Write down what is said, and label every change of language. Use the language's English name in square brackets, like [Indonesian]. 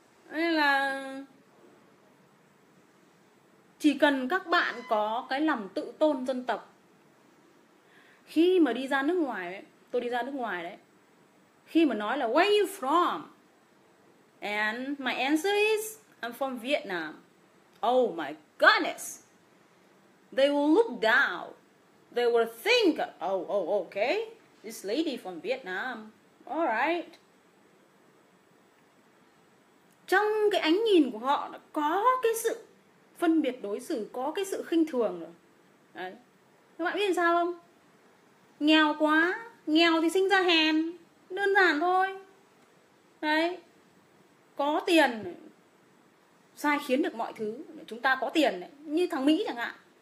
[Vietnamese] Nên là chỉ cần các bạn có cái lòng tự tôn dân tộc, khi mà đi ra nước ngoài ấy, tôi đi ra nước ngoài đấy, khi mà nói là [English] where you from and my answer is I'm from Vietnam, oh my goodness, they will look down. They will think, oh, okay, this lady from Vietnam, all right. [Vietnamese] Trong cái ánh nhìn của họ có cái sự phân biệt đối xử, có cái sự khinh thường rồi. Đấy. Các bạn biết sao không? Nghèo quá, nghèo thì sinh ra hèn, đơn giản thôi. Đấy, có tiền, sai khiến được mọi thứ, chúng ta có tiền, như thằng Mỹ chẳng hạn.